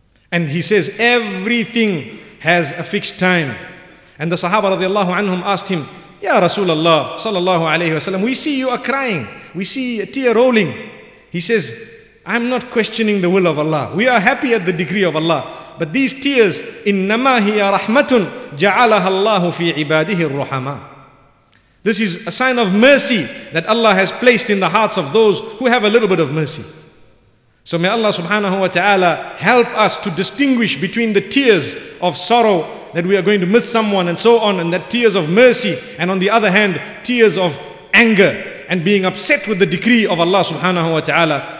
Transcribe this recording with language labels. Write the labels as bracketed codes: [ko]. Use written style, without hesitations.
[en] And he says, everything has a fixed time. And the Sahaba radiallahu anhum asked him, Ya Rasulullah sallallahu alayhi wa sallam, we see you are crying, we see a tear rolling. He says, I'm not questioning the will of Allah. We are happy at the decree of Allah. But these tears, [ar] إِنَّمَا هِيَ رَحْمَةٌ جَعَلَهَا اللَّهُ فِي عِبَادِهِ الرُّحَمَى. [en] This is a sign of mercy that Allah has placed in the hearts of those who have a little bit of mercy. So may Allah subhanahu wa ta'ala help us to distinguish between the tears of sorrow that we are going to miss someone and so on, and that tears of mercy, and on the other hand, tears of anger and being upset with the decree of Allah subhanahu wa ta'ala.